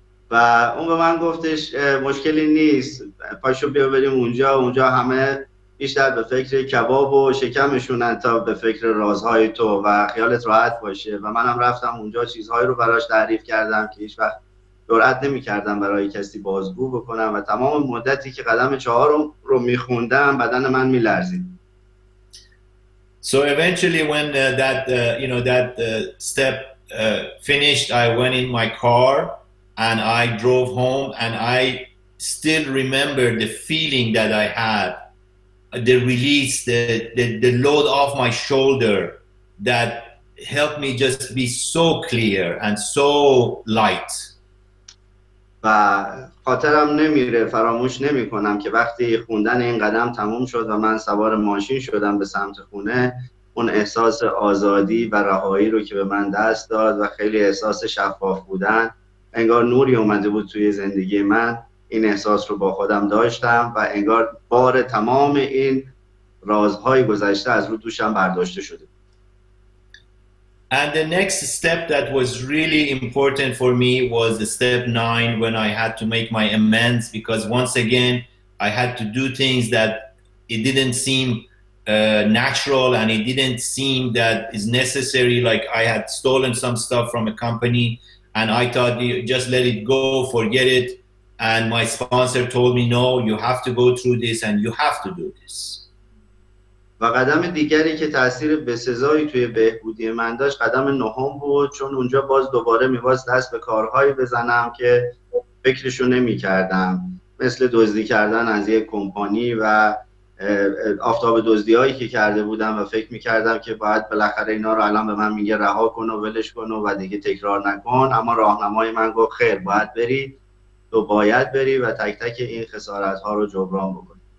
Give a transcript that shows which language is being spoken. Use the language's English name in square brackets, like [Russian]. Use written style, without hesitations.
[Persian] و اون به من گفتش مشکلی نیست، پاشو بیا بریم اونجا، اونجا همه بیشتر به فکر کباب و شکمشونن تا به فکر رازهای تو و خیالت راحت باشه. و منم رفتم اونجا، چیزهایی رو براش تعریف کردم که هیچ وقت جرأت نمی کردم برای کسی بازگو بکنم و تمام مدتی که قدم 4 رو می خوندم بدن من می لرزید. [English] So eventually when that step finished, I went in my car and I drove home and I still remember the feeling that I had, the release, the load off my shoulder that helped me just be so clear and so light. [Persian] و خاطرم نمیره، فراموش نمی کنم که وقتی خوندن این قدم تموم شد و من سوار ماشین شدم به سمت خونه، اون احساس آزادی و رهایی رو که به من دست داد و خیلی احساس شفاف بودن، انگار نوری اومده بود توی زندگی من، این احساس رو با خودم داشتم و انگار بار تمام این رازهای گذشته از رو دوشم برداشته شده. [English] And the next step that was really important for me was the step 9, when I had to make my amends, because once again I had to do things that it didn't seem natural and it didn't seem that is necessary. Like I had stolen some stuff from a company and I thought just let it go, forget it, and my sponsor told me no, you have to go through this and you have to do this. [Persian] و قدم دیگری که تأثیر بسزایی توی بهبودی من داشت قدم 9 بود، چون اونجا باز دوباره میباز دست به کارهایی بزنم که فکرشو نمی کردم، مثل دزدی کردن از یک کمپانی و آفتاب دزدی هایی که کرده بودم و فکر می کردم که باید بالاخره اینا رو الان به من میگه رها کن و ولش کن و دیگه تکرار نکن، اما راهنمای من گفت خیر، باید بری، تو باید بری و تک تک این خسارت ها رو جبران بکن.